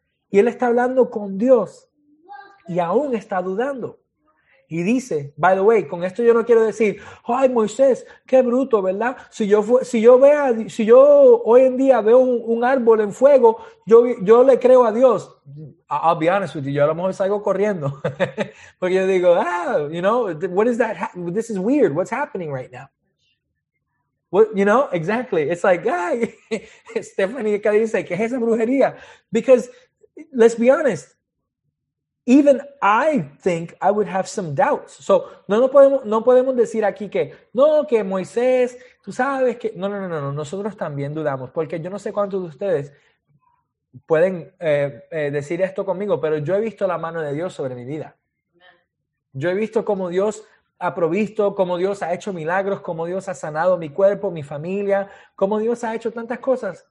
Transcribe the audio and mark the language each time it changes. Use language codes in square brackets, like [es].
[es] Y él está hablando con Dios y aún está dudando. Y dice, [en] by the way, [es] con esto yo no quiero decir, ay, Moisés, qué bruto, ¿verdad? Si yo hoy en día veo un árbol en fuego, yo le creo a Dios. [en] I'll be honest with you, [es] yo a lo mejor salgo corriendo. Porque yo digo, [en] you know, what is that? This is weird. What's happening right now? What, you know, exactly. It's like, [es] ay, Stephanie, ¿qué dice? ¿Qué es esa brujería? [en] Because, let's be honest, even I think I would have some doubts. [es] So, no podemos decir aquí que, no, que Moisés, tú sabes que... No, nosotros también dudamos. Porque yo no sé cuántos de ustedes pueden decir esto conmigo, pero yo he visto la mano de Dios sobre mi vida. Yo he visto cómo Dios ha provisto, cómo Dios ha hecho milagros, cómo Dios ha sanado mi cuerpo, mi familia, cómo Dios ha hecho tantas cosas.